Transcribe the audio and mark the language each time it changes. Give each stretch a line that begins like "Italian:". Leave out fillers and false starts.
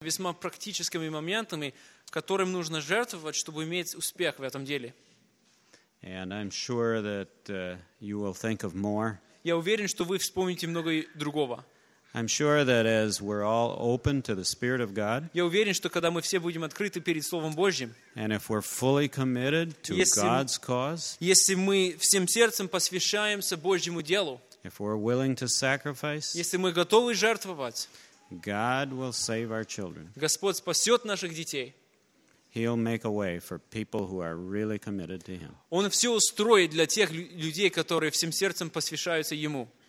Russian: весьма практическими моментами, которым нужно жертвовать, чтобы иметь успех в этом деле.
English: And I'm sure that you will think of more.
Russian: Я уверен, что вы вспомните много другого.
English: I'm sure that as we're all open to the Spirit of God,
Russian: я уверен, что когда мы все будем открыты перед Словом Божьим,
English: and if we're fully committed to God's cause,
Russian: если мы всем сердцем посвящаемся Божьему делу,
English: if we're willing to sacrifice,
Russian: если мы готовы жертвовать,
English: God will save our children.
Russian: Господь спасет наших детей.
English: He'll make a way for people who are really committed to Him.
Russian: Он все устроит для тех людей, которые всем сердцем посвящаются Ему.